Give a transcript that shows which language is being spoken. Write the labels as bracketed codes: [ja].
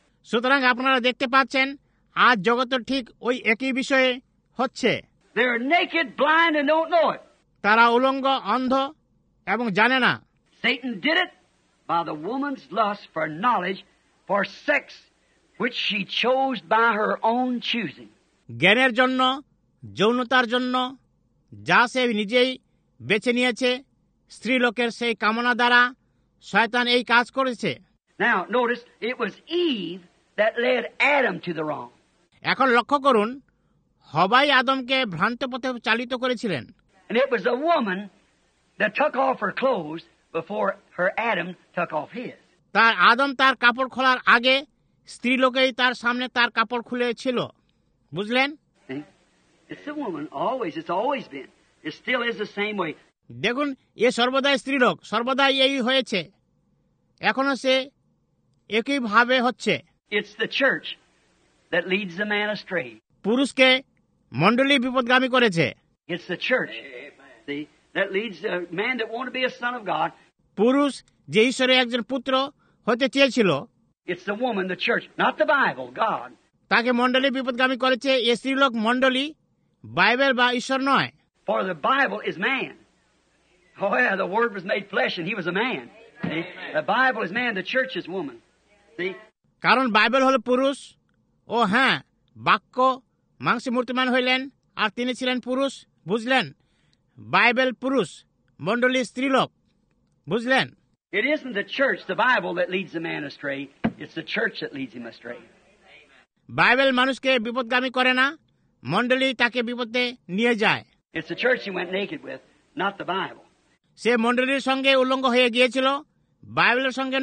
[bn] সুতরাং আপনারা দেখতে পাচ্ছেন আজ জগতে ঠিক ওই একই বিষয়ে হচ্ছে। [en] They are naked, blind and don't know it. [bn] তারা উলঙ্গ, অন্ধ এবং জানে না। [en] Satan did it by the woman's lust for knowledge, for sex, which she chose by her own choosing. [bn] জ্ঞানের জন্য, যৌনতার জন্য যা সে নিজেই বেছে নিয়েছে, স্ত্রী লোকের সেই কামনা দ্বারা শয়তান এই কাজ করেছে। [en] Now notice it was Eve that led Adam to the wrong. [bn] এখন লক্ষ্য করুন, হবাই আদমকে ভ্রান্ত পথে চালিত করেছিলেন। [en] And it was the woman that took off her clothes before her Adam took off his. [bn] তার আদম তার কাপড় খোলার আগে স্ত্রী লোকেই তার সামনে তার কাপড় খুলেছিল, বুঝলেন? [en] It's the woman always, it's always been, it still is the same way. [bn] দেখুন এ সর্বদাই স্ত্রী লোক, সর্বদাই এই হয়েছে, এখনো সে একইভাবে হচ্ছে। [en] It's the church that leads the man astray. [bn] পুরুষকে মণ্ডলী বিপদগামী করেছে। [en] It's the church that leads the man that wanted to be a son of God. [bn] পুরুষ যে ঈশ্বরের একজন পুত্র হতে চেয়েছিল, [en] It's the woman, the church, not the Bible, God. [bn] তাকে মণ্ডলী বিপদগামী করেছে এ স্ত্রী লোক, মণ্ডলী বাইবেল বা ঈশ্বর নয়। [en] For the Bible is man. Oh yeah, the word was made flesh and he was a man. The Bible is man, the church is woman. [bn] কারণ বাইবেল হল পুরুষ, ও হ্যাঁ বাক্য মাংসে মূর্তিমান হইলেন আর তিনি ছিলেন পুরুষ, বুঝলেন? বাইবেল পুরুষ, মণ্ডলী স্ত্রীলোক, বুঝলেন? [en] It isn't the church, the Bible, that leads a man astray. It's the church that leads him astray. [bn] Bible মানুষকে বিপদগামী করে না, মণ্ডলী তাকে বিপদে নিয়ে যায়। [en] It's the church he went naked with, not the Bible. [bn] সে মন্ডলীর সঙ্গে উলঙ্গ হয়ে গিয়েছিল, বাইবেলের সঙ্গে